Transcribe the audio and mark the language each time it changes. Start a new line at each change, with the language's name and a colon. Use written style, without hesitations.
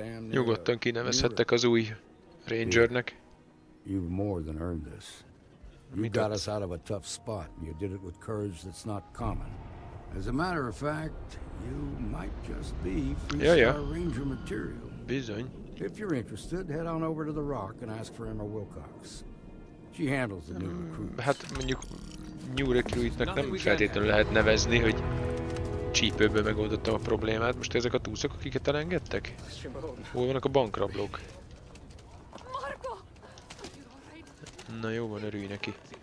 Hungarian: Nyugodtan kinevezhettek az új Rangernek.
English: You've more than earned this. You got us out of a tough spot. You did it with courage that's not common. As a matter of fact, you might just be Freestar Ranger material.
Hungarian: Bizony.
English: If you're interested, head on over to the Rock and ask for Emma Wilcox. She handles the new recruits.
Hungarian: Hát mondjuk New Recruitnak nem feltétlenül lehet nevezni, hogy csípőből megoldottam a problémát. Most ezek a túszok, akiket elengedtek? Hol vannak a bankrablók? Na jó van, örülj neki.